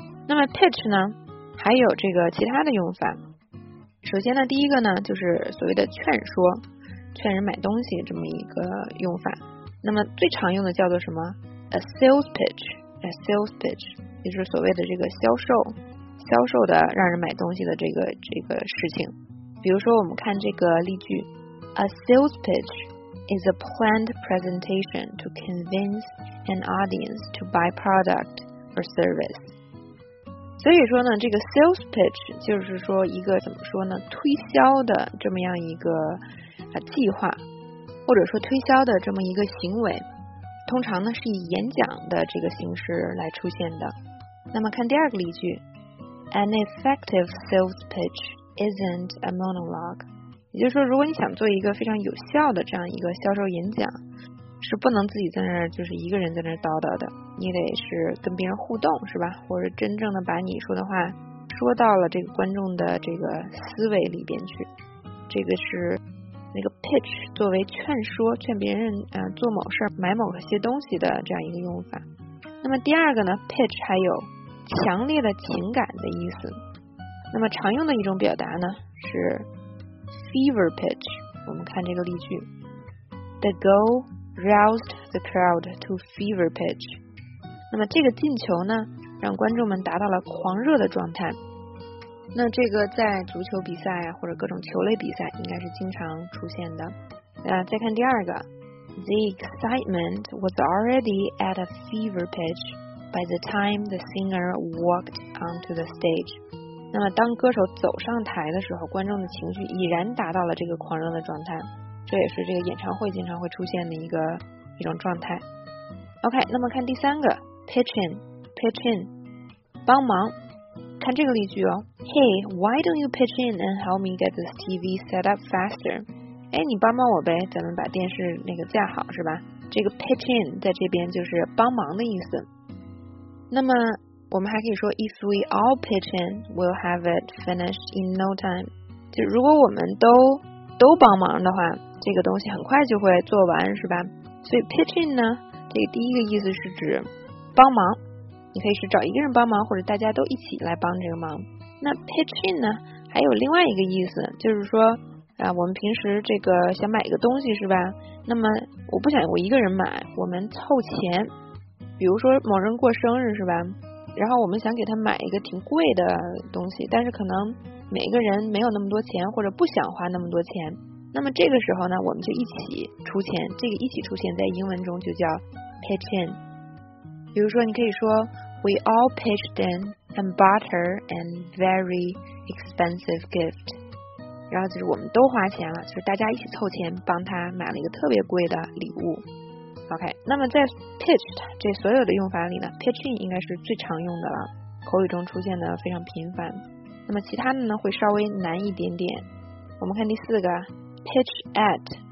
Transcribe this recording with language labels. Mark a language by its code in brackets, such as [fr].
[zh] 那么 pitch 呢还有这个其他的用法。首先呢，第一个呢就是所谓的劝说，劝人买东西这么一个用法。那么最常用的叫做什么 a sales pitchA sales pitch， 也就是所谓的这个销售的让人买东西的这个事情。比如说我们看这个例句， [en] A sales pitch is a planned presentation to convince an audience to buy product or service。 [zh] 所以说呢，这个 sales pitch 就是说一个怎么说呢，推销的这么样一个计划，或者说推销的这么一个行为，通常呢是以演讲的这个形式来出现的。那么看第二个例句， [en] An effective sales pitch isn't a monologue。 [zh] 也就是说如果你想做一个非常有效的这样一个销售演讲，是不能自己在那儿就是一个人在那儿叨叨的，你得是跟别人互动是吧，或者真正的把你说的话说到了这个观众的这个思维里边去。这个是那个 pitch 作为劝说，劝别人做某事买某些东西的这样一个用法。那么第二个呢， pitch 还有强烈的情感的意思。那么常用的一种表达呢是 fever pitch。我们看这个例句， [en] The goal roused the crowd to fever pitch。 [zh] 那么这个进球呢让观众们达到了狂热的状态。那这个在足球比赛啊，或者各种球类比赛应该是经常出现的。再看第二个， [en] The excitement was already at a fever pitch by the time the singer walked onto the stage。 [zh] 那么当歌手走上台的时候，观众的情绪已然达到了这个狂热的状态，这也是这个演唱会经常会出现的一种状态。 OK， 那么看第三个， Pitch in 帮忙。看这个例句哦， [en] Hey, why don't you pitch in and help me get this TV set up faster? [zh] 哎，你帮帮我呗，咱们把电视那个架好是吧。这个 pitch in 在这边就是帮忙的意思。那么我们还可以说， [en] If we all pitch in, we'll have it finished in no time。 [zh] 就如果我们都帮忙的话，这个东西很快就会做完是吧。所以 pitch in 呢，这个第一个意思是指帮忙，你可以是找一个人帮忙，或者大家都一起来帮这个忙。那 pitch in 呢还有另外一个意思，就是说我们平时这个想买一个东西是吧，那么我不想我一个人买，我们凑钱。比如说某人过生日是吧，然后我们想给他买一个挺贵的东西，但是可能每个人没有那么多钱，或者不想花那么多钱，那么这个时候呢我们就一起出钱。这个一起出钱在英文中就叫 pitch in。比如说你可以说 [en] We all pitched in and bought her a very expensive gift。 [zh] 然后就是我们都花钱了，就是大家一起凑钱帮她买了一个特别贵的礼物。 OK， 那么在 pitched 这所有的用法里呢， pitching 应该是最常用的了，口语中出现的非常频繁。那么其他的呢会稍微难一点点。我们看第四个， pitch at。